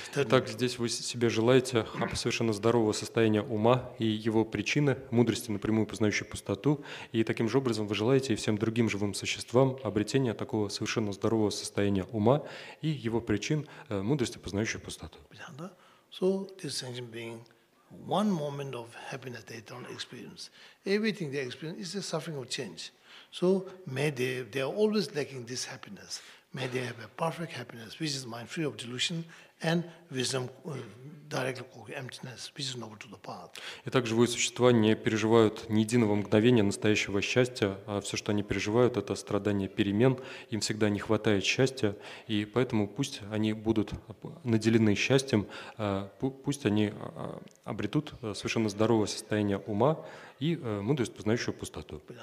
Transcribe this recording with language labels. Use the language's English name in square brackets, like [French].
[Russian] Так, здесь вы себе желаете совершенно здорового состояния ума и его причины, мудрости, напрямую познающей пустоту, и таким же образом вы желаете и всем другим живым существам обретения такого совершенно здорового состояния ума и его причин, мудрости, познающей пустоту. [English] So this sentient being, one moment of happiness they don't experience. Everything they experience is the suffering of change. So may they are always lacking this happiness. May they have a perfect happiness, which is mind free of delusion, and wisdom directly called emptiness, which is noble to the path. [Russian] И также живые существа не переживают ни единого мгновения настоящего счастья, а все, что они переживают, это страдания перемен. Им всегда не хватает счастья, и поэтому пусть они будут наделены счастьем, пусть они обретут совершенно здоровое состояние ума и мудрость, познающую пустоту.